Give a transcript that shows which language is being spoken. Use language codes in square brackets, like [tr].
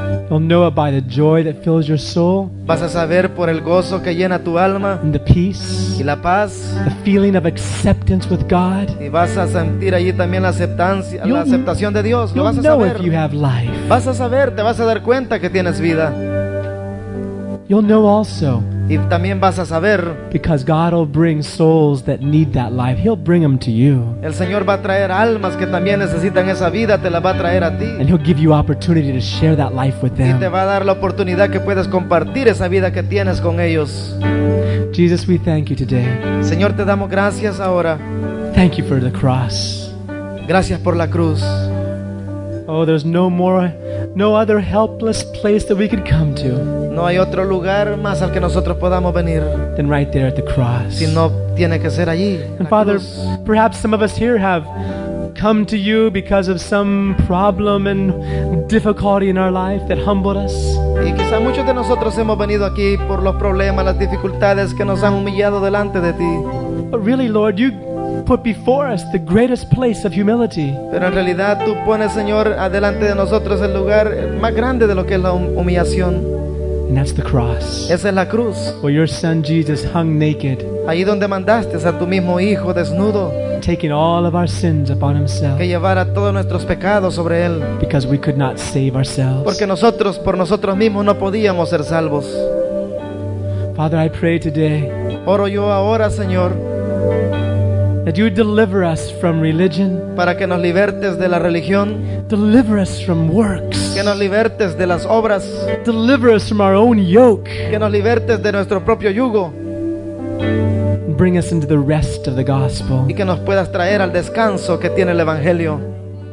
[en] You'll know it by the joy that fills your soul. [es] Vas a saber por el gozo que llena tu alma. [en] And the peace. [es] Y la paz. [en] The feeling of acceptance with God. [es] Y vas a sentir allí también la aceptancia, la aceptación de Dios. [en] You'll [es] vas a [en] know [es] saber. [en] If you have life. [es] Vas a saber, te vas a dar cuenta que tienes vida. [en] You'll know also. [es] Y también vas a saber. [en] Because God will bring souls that need that life. He'll bring them to you. [es] El Señor va a traer almas que también necesitan esa vida, te la va a traer a ti. [en] And He'll give you opportunity to share that life with them. [es] Y te va a dar la oportunidad que puedas compartir esa vida que tienes con ellos. [en] Jesus, we thank you today. [es] Señor, te damos gracias ahora. [en] Thank you for the cross. [es] Gracias por la cruz. [en] Oh, there's no other helpless place that we could come to. [es] No hay otro lugar más al que nosotros podamos venir. [en] Than right there at the cross. [es] Si no tiene que ser allí. [en] And Father, [es] cruz. [en] Perhaps some of us here have come to you because of some problem and difficulty in our life that humbled us. [es] Y quizá muchos de nosotros hemos venido aquí por los problemas, las dificultades que nos han humillado delante de ti. [en] But really, Lord, you put before us the greatest place of humility. [es] Pero en realidad tú pones, Señor, adelante de nosotros el lugar más grande de lo que es la humillación. [en] And that's the cross. [es] Esa es la cruz. [en] Where your Son Jesus hung naked. [es] Ahí donde mandaste a tu mismo hijo desnudo. [en] Taking all of our sins upon himself. [es] Que llevara todos nuestros pecados sobre él. [en] Because we could not save ourselves. [es] Porque nosotros por nosotros mismos no podíamos ser salvos. [en] Father, I pray today. [es] Oro yo ahora, Señor. [en] That you deliver us from religion. [es] Para que nos libertes de la religión. [en] Deliver us from works. [es] Que nos libertes de las obras. [en] Deliver us from our own yoke. [es] Que nos libertes de nuestro propio yugo. [en] Bring us into the rest of the gospel. [es] Y que nos puedas traer al descanso que tiene el evangelio.